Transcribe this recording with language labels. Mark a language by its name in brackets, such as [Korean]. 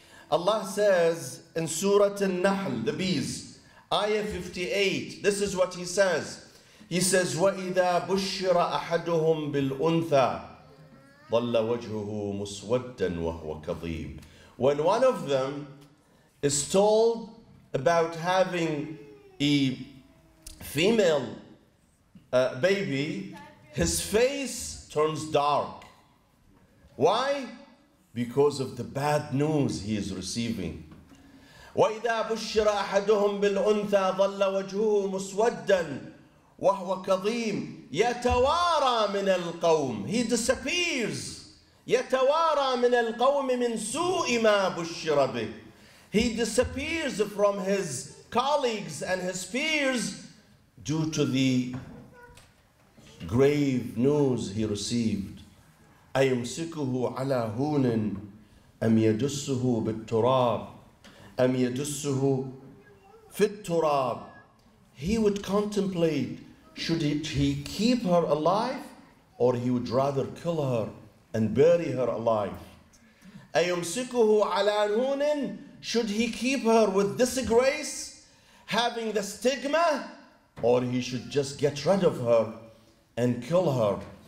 [English] Allah says in Surah An-Nahl, the bees, Ayah 58, this is what he says. [Arabic] He says, وَإِذَا بُشِّرَ أَحَدُهُمْ بِالْأُنْثَى ضَلَّ وَجْهُهُ مُسْوَدًّا وَهُوَ كَظِيمٌ. [English] When one of them is told about having a female baby, his face turns dark. Why? Because of the bad news he is receiving. [Arabic] وَإِذَا بُشِّرَ أَحَدُهُمْ بِالْأُنْثَى ظَلَّ وَجْهُهُ مُسْوَدًّا وَهُوَ كَظِيمٌ يَتَوَارَى مِنَ الْقَوْمِ. He disappears. يَتَوَارَى مِنَ الْقَوْمِ مِنْ سُوءِ مَا بُشِّرَ بِهِ. [English] He disappears from his colleagues and his peers due to the grave news he received. [Arabic] أَيُمْسِكُهُ عَلَى هُونٍ أَمْ يَدُسُّهُ بِالتُّرَابِ أَمْ يَدُسُّهُ فِي التُّرَابِ. [English] He would contemplate, should he keep her alive, or he would rather kill her and bury her alive? [Arabic] أَيُمْسِكُهُ عَلَى هُونٍ. [English] Should he keep her with disgrace, having the stigma, or he should just get rid of her and kill her?